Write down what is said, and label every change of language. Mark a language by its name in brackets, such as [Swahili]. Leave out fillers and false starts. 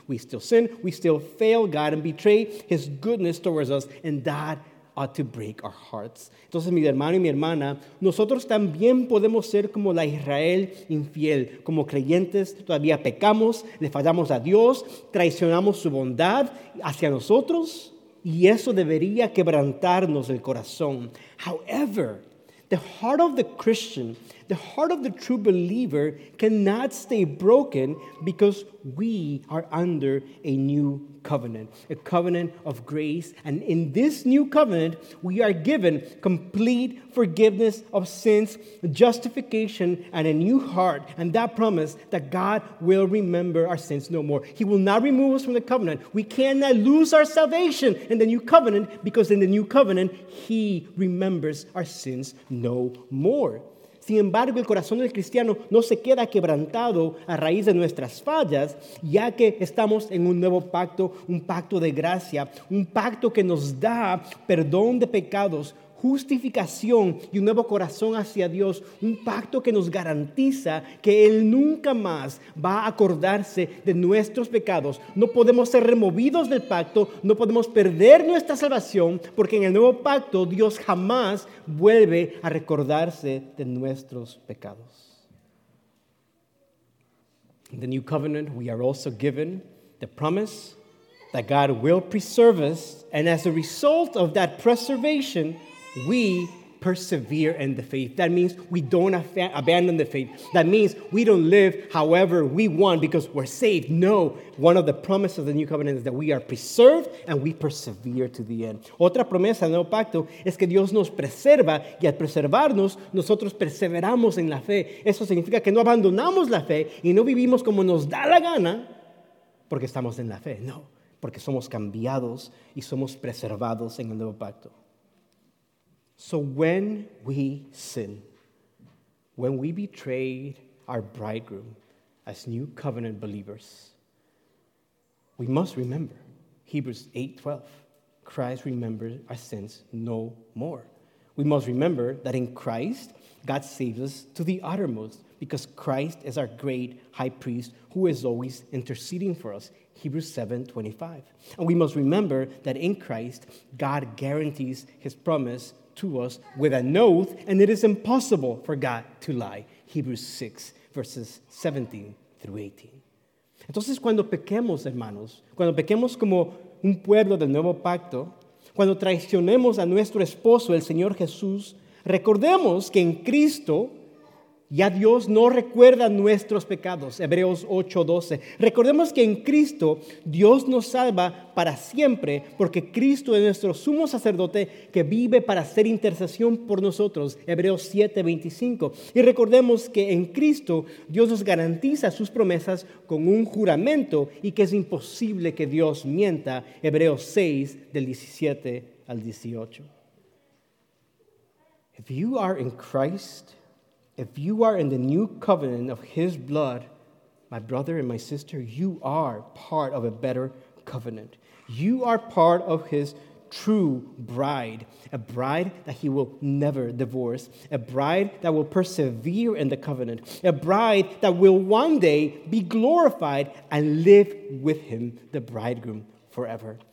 [English] We still sin, we still fail God and betray his goodness towards us, and that ought to break our hearts. [Spanish] Entonces, mi hermano y mi hermana, nosotros también podemos ser como la Israel infiel, como creyentes, todavía pecamos, le fallamos a Dios, traicionamos su bondad hacia nosotros, y eso debería quebrantarnos el corazón. [English] However, the heart of the Christian, the heart of the true believer, cannot stay broken because we are under a new covenant, a covenant of grace. And in this new covenant, we are given complete forgiveness of sins, justification, and a new heart. And that promise that God will remember our sins no more. He will not remove us from the covenant. We cannot lose our salvation in the new covenant because in the new covenant, he remembers our sins no more. [Spanish] Sin embargo, el corazón del cristiano no se queda quebrantado a raíz de nuestras fallas, ya que estamos en un nuevo pacto, un pacto de gracia, un pacto que nos da perdón de pecados, justificación y un nuevo corazón hacia Dios, un pacto que nos garantiza que Él nunca más va a acordarse de nuestros pecados. No podemos ser removidos del pacto, no podemos perder nuestra salvación, porque en el nuevo pacto Dios jamás vuelve a recordarse de nuestros pecados. [English] In the new covenant, we are also given the promise that God will preserve us, and as a result of that preservation, we persevere in the faith. That means we don't abandon the faith. That means we don't live however we want because we're saved. No, one of the promises of the new covenant is that we are preserved and we persevere to the end. [Spanish] Otra promesa del nuevo pacto es que Dios nos preserva y al preservarnos, nosotros perseveramos en la fe. Eso significa que no abandonamos la fe y no vivimos como nos da la gana porque estamos en la fe. No, porque somos cambiados y somos preservados en el nuevo pacto. [English] So when we sin, when we betray our bridegroom as new covenant believers, we must remember Hebrews 8:12. Christ remembers our sins no more. We must remember that in Christ, God saves us to the uttermost because Christ is our great high priest who is always interceding for us. Hebrews 7:25. And we must remember that in Christ, God guarantees his promise to us with an oath, and it is impossible for God to lie. Hebrews 6, verses 17 through 18. [Spanish] Entonces, cuando pequemos, hermanos, cuando pequemos como un pueblo del nuevo pacto, cuando traicionemos a nuestro esposo, el Señor Jesús, recordemos que en Cristo ya Dios no recuerda nuestros pecados. Hebreos 8:12. Recordemos que en Cristo Dios nos salva para siempre porque Cristo es nuestro sumo sacerdote que vive para hacer intercesión por nosotros. Hebreos 7:25. Y recordemos que en Cristo Dios nos garantiza sus promesas con un juramento y que es imposible que Dios mienta. Hebreos 6, del 17 al 18. [English] If you are in Christ, if you are in the new covenant of his blood, my brother and my sister, you are part of a better covenant. You are part of his true bride, a bride that he will never divorce, a bride that will persevere in the covenant, a bride that will one day be glorified and live with him, the bridegroom, forever.